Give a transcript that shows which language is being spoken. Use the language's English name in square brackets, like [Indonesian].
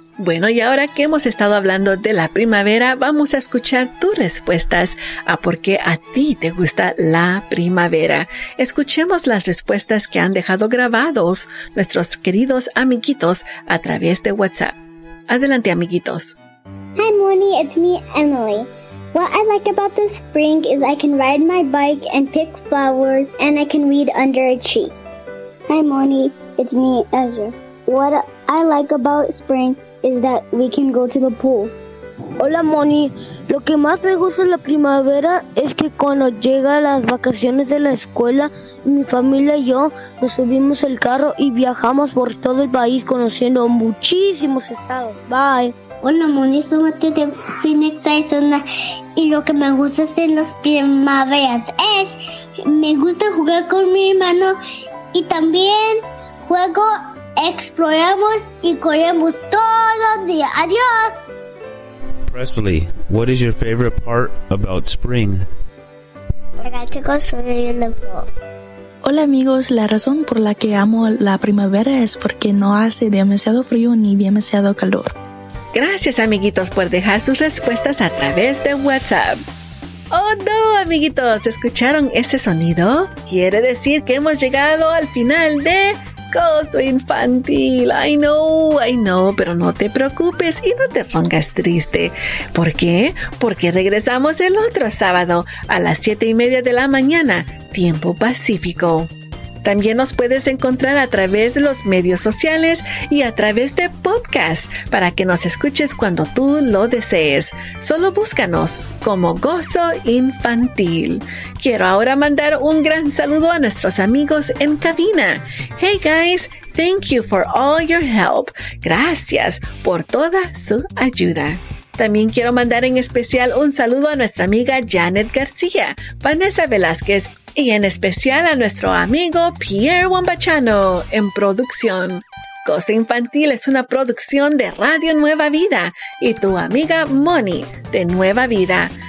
[Spanish] Bueno, y ahora que hemos estado hablando de la primavera, vamos a escuchar tus respuestas a por qué a ti te gusta la primavera. Escuchemos las respuestas que han dejado grabados nuestros queridos amiguitos a través de WhatsApp. Adelante, amiguitos. [English] Hi, Moni, it's me, Emily. What I like about the spring is I can ride my bike and pick flowers and I can read under a tree. Hi, Moni, it's me, Ezra. What I like about spring is that we can go to the pool. [Spanish] Hola, Moni. Lo que más me gusta en la primavera es que cuando llegan las vacaciones de la escuela, mi familia y yo nos subimos el carro y viajamos por todo el país conociendo muchísimos estados. Bye. Hola, Moni, soy Mateo de Phoenix, Arizona, y lo que me gusta hacer en las primaveras es, me gusta jugar con mi hermano y también juego, exploramos y corremos todos los días. ¡Adiós! [English] Presley, what is your favorite part about spring? [Spanish] Hola, chicos, soy yo en el pool. Hola amigos, la razón por la que amo la primavera es porque no hace demasiado frío ni demasiado calor. Gracias, amiguitos, por dejar sus respuestas a través de WhatsApp. ¡Oh, no, amiguitos! ¿Escucharon ese sonido? Quiere decir que hemos llegado al final de Gozo Infantil. I know, pero no te preocupes y no te pongas triste. ¿Por qué? Porque regresamos el otro sábado a las 7:30 de la mañana, tiempo pacífico. También nos puedes encontrar a través de los medios sociales y a través de podcast para que nos escuches cuando tú lo desees. Solo búscanos como Gozo Infantil. Quiero ahora mandar un gran saludo a nuestros amigos en cabina. [English] Hey guys, thank you for all your help. [Spanish] Gracias por toda su ayuda. También quiero mandar en especial un saludo a nuestra amiga Janet García, Vanessa Velázquez y en especial a nuestro amigo Pierre Wambachano en producción. Cosa Infantil es una producción de Radio Nueva Vida y tu amiga Moni de Nueva Vida.